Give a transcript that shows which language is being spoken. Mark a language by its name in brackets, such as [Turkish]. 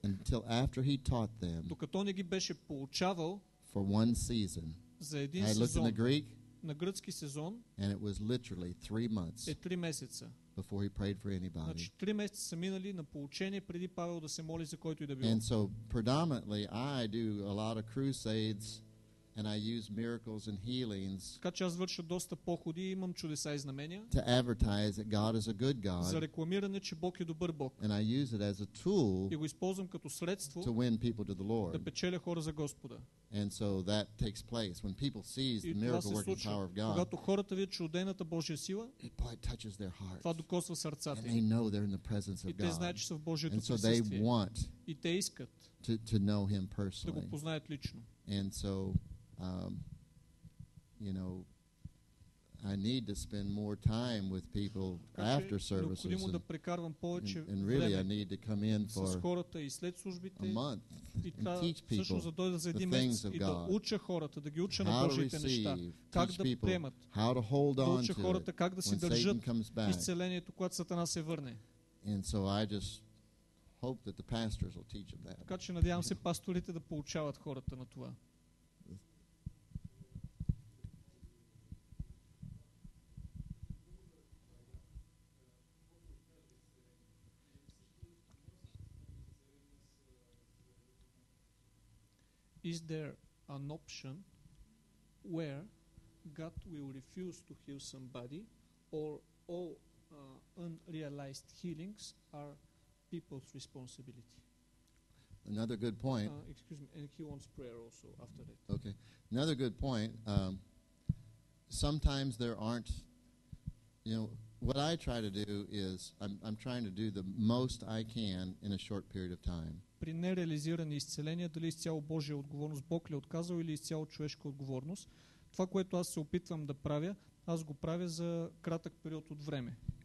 [English] Until after he taught them. [Bulgarian] Докато не ги беше поучавал. [English] For one season. [Bulgarian] За един сезон. [English] I looked in the Greek. [Bulgarian] На гръцки сезон. [English] And it was literally 3 months. [Bulgarian] Е 3 месеца. [English] Before he prayed for anybody. [Bulgarian] Значи 3 месеца са минали на поучение преди Павел да се моли за който и да било. [English] And so predominantly I do a lot of crusades and I use miracles and healings. [Bulgarian] Така че аз върша доста походи и имам чудеса и знамения. [English] To advertise that God is a good God. [Bulgarian] За рекламиране, че Бог е добър Бог. [English] And I use it as a tool. [Bulgarian] И го използвам като средство. [English] To win people to the Lord. [Bulgarian] Да печеля хора за Господа. [English] And so that takes place when people see the miracle working power of God. [Bulgarian] Когато хората видят чудената Божия сила, [English] it touches their hearts. [Bulgarian] Това докосва сърцата. [English] And they know they're in the presence of God. [Bulgarian] И те знаят, че са в Божието присъствие. [English] And so they want. [Bulgarian] И те искат. [English] To know him personally. [Bulgarian] Да го познаят лично. [English] And so you know, I need to spend more time with people after services. And really I need to come in for [Bulgarian] хората и след службите [English] a month and teach people the things of God. [Bulgarian] Да уча хората, да ги уча на Божиите неща, как да приемат, [English] how to hold on [Bulgarian] to хората, как да си държат изцелението, когато Сатана се върне. [English] And so I just hope that the pastors will teach them that. [Bulgarian] Така че надявам се пасторите да поучават хората на това. [English] Is there an option where God will refuse to heal somebody, or all unrealized healings are people's responsibility? Another good point. Excuse me, and he wants prayer also after that. Okay. Another good point. Sometimes there aren't, you know, what I try to do is I'm trying to do the most I can in a short period of time. [Bulgarian] При нереализирани изцеления, дали изцяло Божия отговорност, Бог ли е отказал или изцяло човешка отговорност. Това, което аз се опитвам да правя, аз го правя за кратък период от време.